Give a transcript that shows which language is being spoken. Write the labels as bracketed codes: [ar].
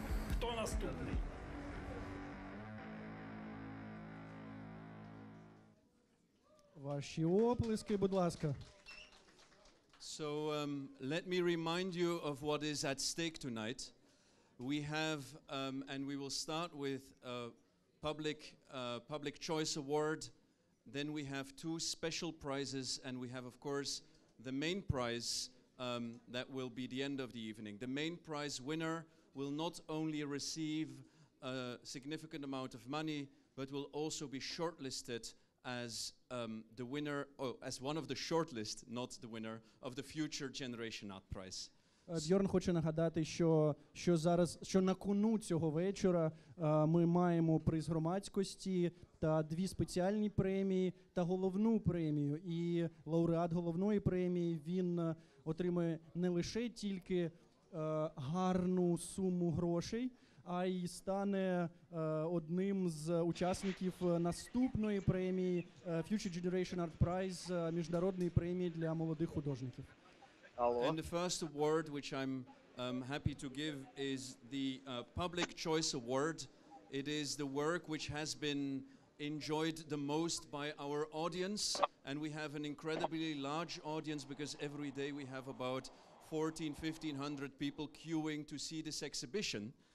[uk] Хто наступний? Ваші оплески, будь ласка. [en] So, let me remind you of what is at stake tonight. We have, and we will start with a public choice award. Then we have two special prizes, and we have, of course, the main prize that will be the end of the evening. The main prize winner will not only receive a significant amount of money, but will also be shortlisted as the winner, as one of the shortlist, not the winner, of the Future Generation Art Prize. [uk] Бьорн хоче нагадати, що зараз, що на кону цього вечора ми маємо приз громадськості та дві спеціальні премії та головну премію. І лауреат головної премії, він отримує не лише тільки гарну суму грошей, а й стане одним з учасників наступної премії Future Generation Art Prize, міжнародної премії для молодих художників. [en] And the first award, which I'm happy to give, is the Public Choice Award. It is the work which has been enjoyed the most by our audience. And we have an incredibly large audience because every day we have about 1,400-1,500 people queuing to see this exhibition.